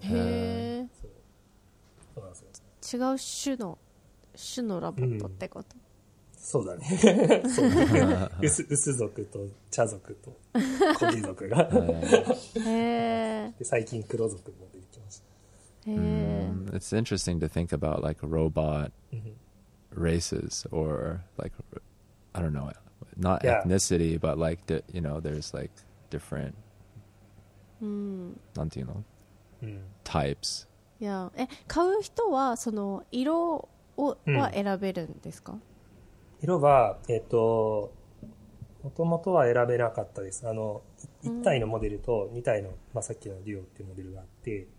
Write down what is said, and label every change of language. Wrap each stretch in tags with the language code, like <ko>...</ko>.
<ja>へぇー。そうなんですよ。違う種のラボットってこと、うん、そうだね。そうだね。ウス族と茶族とコギ族が。へえ。最近黒族も出てきました。へえ。</ja> <en>It's interesting to think about like robot races or like I don't know, not ethnicity, but like the, you know, there's like different.</en> <ja>なんていうの？Types。いや、え、買う人はその色を、は選べるんですか？色は、もともとは選べなかったです。あの、1体のモデルと2体の、まあ、さっきのデュオっていうモデルがあって、</ja>